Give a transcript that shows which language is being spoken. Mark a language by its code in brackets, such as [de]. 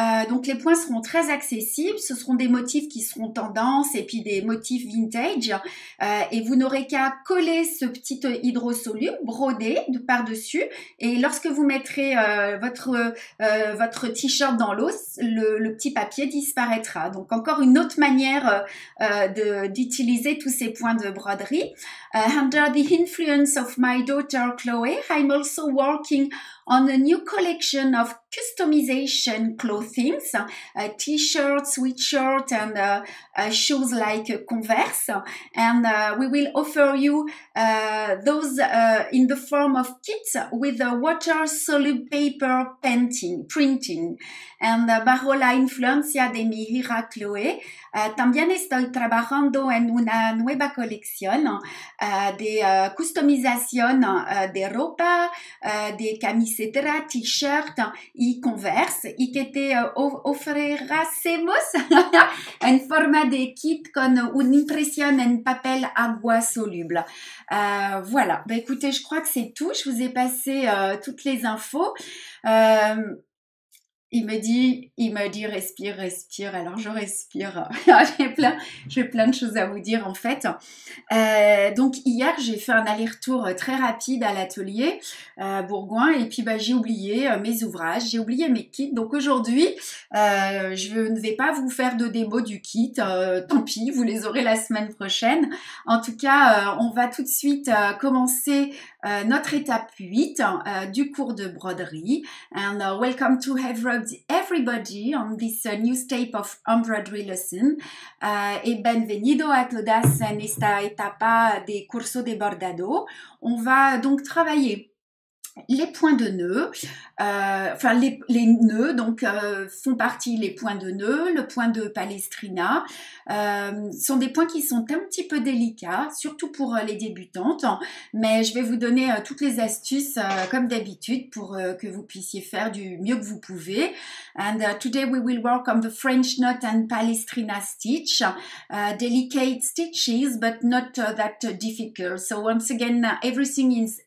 [fr] Donc les points seront très accessibles, ce seront des motifs qui seront tendance et puis des motifs vintage et vous n'aurez qu'à coller ce petit hydrosoluble brodé de par-dessus et lorsque vous mettrez votre t-shirt dans l'eau, le petit papier disparaîtra. Donc encore une autre manière d'utiliser tous ces points de broderie. [en] Under the influence of my daughter Chloe, I'm also working on a new collection of customization clothing, t-shirts, sweatshirts, and shoes like Converse. And we will offer you those in the form of kits with a water-soluble paper printing. [es] And bajo la influencia de mi hija Chloe, también estoy trabajando en una nueva colección de customización de ropa, de camiseta, t-shirt y Converse y que te ofreceremos en forma de kit con una impresión en papel agua soluble. [fr] Voilà, bah, écoutez, je crois que c'est tout. Je vous ai passé toutes les infos. Il me dit respire, alors je respire. j'ai plein de choses à vous dire en fait. Donc hier, j'ai fait un aller-retour très rapide à l'atelier Bourgoin et puis j'ai oublié mes ouvrages, j'ai oublié mes kits. Donc aujourd'hui, je ne vais pas vous faire de démo du kit, tant pis, vous les aurez la semaine prochaine. En tout cas, on va tout de suite commencer notre étape 8 du cours de broderie. [en] And welcome to everybody on this new step of embroidery lesson. [es] Et bienvenido a todas en esta etapa de curso de bordado. [fr] On va donc travailler les points de nœuds. Enfin, les nœuds, donc, font partie les points de nœuds, le point de palestrina. Sont des points qui sont un petit peu délicats, surtout pour les débutantes. Mais je vais vous donner toutes les astuces, comme d'habitude, pour que vous puissiez faire du mieux que vous pouvez. [en] And today we will work on the French knot and palestrina stitch. Delicate stitches, but not that difficult. So once again, everything is